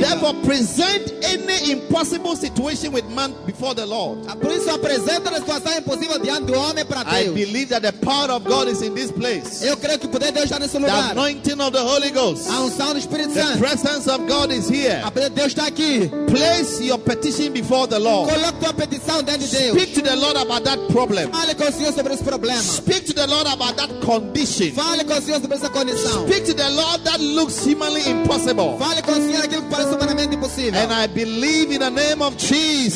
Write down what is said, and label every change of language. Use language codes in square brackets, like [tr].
[en] Therefore, present any impossible situation with man before the Lord. [pt] Por isso, apresenta a situação impossível diante do homem para Deus. [en] I believe that the power of God is in this place. [pt] Eu creio que o poder de Deus está nesse lugar. [en] The anointing of the Holy Ghost. [pt] A unção do Espírito Santo. [en] The presence of God is here. [pt] de Deus está aqui. [en] Place your petition before the Lord. [pt] Coloque tua petição diante de Deus. [en] Speak to the Lord about that problem. [pt] Fale com o Senhor sobre esse problema. [en] Speak to the Lord about that condition. [pt] Fale com o Senhor sobre essa condição. [en] Speak to the Lord that looks humanly impossible. [pt] Fale com o Senhor aquilo que parece humanamente impossível. [en] And I believe in the name of Jesus.